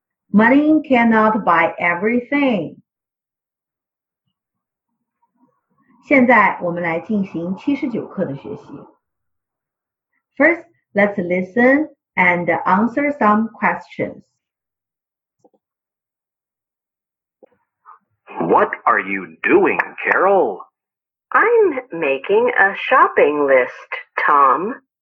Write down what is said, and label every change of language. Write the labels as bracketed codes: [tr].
[en] Money cannot buy everything. [zh] 现在我们来进行79课的学习。 [en] First, let's listen and answer some questions. What are you doing, Carol? I'm making a shopping list, Tom.